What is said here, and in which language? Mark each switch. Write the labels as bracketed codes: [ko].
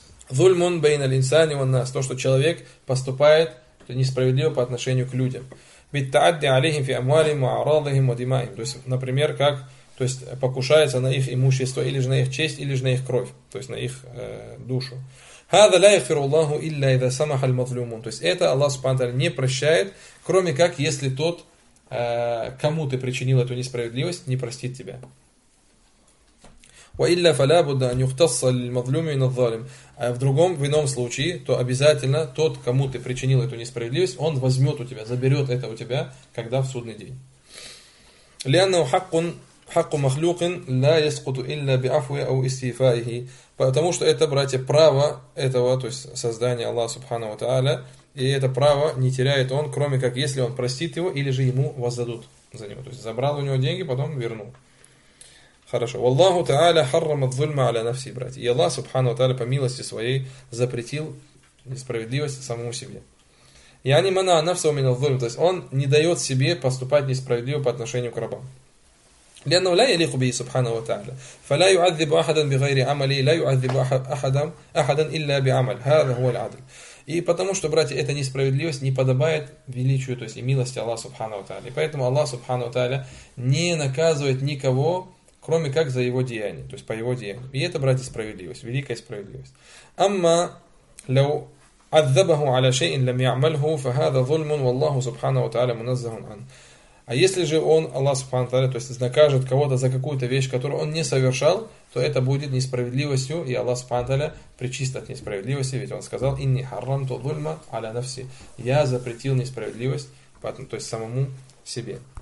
[ar] Зульмун байна линсани ва нас. [ru] То, что человек поступает несправедливо по отношению к людям. [ar] Бит таадди алейхим фи амвалихим ва а'радихим ва дима'им. [ru] То есть, например, как... То есть покушается на их имущество, или же на их честь, или же на их кровь, то есть на их душу. [ar] هذا لا يغفر الله إلا إذا سمح المظلومون. [ru] То есть это Аллах Субхану Тааля не прощает, кроме как если тот, кому ты причинил эту несправедливость, не простит тебя. [ar] وإلا فلا بد أن يختص للمظلوم من الظالم. [ru] А в другом, в ином случае, то обязательно тот, кому ты причинил эту несправедливость, он возьмет у тебя, заберет это у тебя, когда в судный день. [ar] لأنه حق حق مخلوق لا يسقط إلا بعفو أو استيفائه. [ru] Потому что это, братья, право этого, то есть создания Аллаха Субхана ва Тааля, и это право не теряет он, кроме как если он простит его или же ему воздадут за него. То есть забрал у него деньги, потом вернул. Хорошо. [ar] Валлаху Тааля харрама дзульма аля нафси, [ru] братья. И Аллах Субхана ва Тааля по милости своей запретил несправедливость самому себе. [ar] Яни мана нафсу мина дзульм. [ru] То есть он не дает себе поступать несправедливо по отношению к рабам. [ar] لأنه لا يليق به سبحانه وتعالى فلا يعذب أحدا بغير عمله لا يعذب أحدا إلا بعمل هذا هو العدل. [ru] И потому что, братья, эта несправедливость не подобает величию, то есть и милости Аллаха Субхану Тааля. Поэтому Аллах Субхану Тааля не наказывает никого, кроме как за его деяния, то есть по его деяниям. И это, братья, справедливость, великая справедливость. [ar] أما لو عذبه على شيء لم يعمله فهذا ظلم والله سبحانه وتعالى منزه عنه. [ru] А если же он, Аллах Субхану Тааля, то есть накажет кого-то за какую-то вещь, которую он не совершал, то это будет несправедливостью, и Аллах Субхану Тааля причист от несправедливости, ведь он сказал [ar] «Инни харрамту зульма аля нафси» [ru] – «Я запретил несправедливость», то есть самому себе.